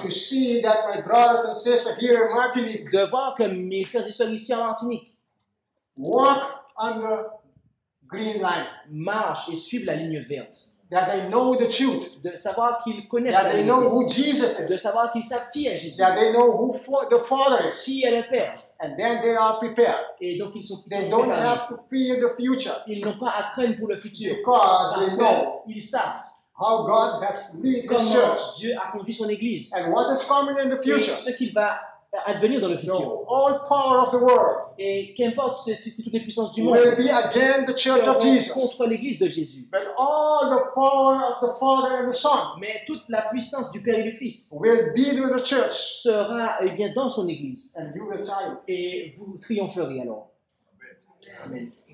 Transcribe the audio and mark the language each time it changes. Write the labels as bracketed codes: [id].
[en] To see that my brothers and sisters here in Martinique. [fr] De voir que mes frères et sœurs ici en Martinique. [en] Walk on the green line. [fr] Marche et suivent la ligne verte. [en] That they know the truth. [fr] De savoir qu'ils connaissent [en] that [fr] la ligne verte. [en] That they know who Jesus is. [fr] De savoir qu'ils savent qui est Jésus. [en] That they know who the Father is. [fr] Qui est le Père. [en] And then they are prepared. [fr] Et donc ils sont préparés. [en] They don't have to fear the future. [fr] Ils n'ont pas à craindre pour le futur. [en] Because they know. [fr] Ils savent. [en] How God has led his [fr] comment [en] church. [fr] Dieu a conduit son église. [en] And what is coming in the future. [fr] Et ce qu'il va advenir dans le futur. [en] No. All power of the world. [fr] Et qu'importe toutes les puissances du [en] will [fr] monde. [en] Will be again the church of Jesus. [fr] Contre l'église de Jésus. [en] But all the power of the Father and the Son. [fr] Mais toute la puissance du Père et du Fils. [en] Will be with the church. [fr] Sera et bien dans son église. [en] And you will triumph. [fr] Et vous triompherez alors. [en] Amen. [fr] Amen.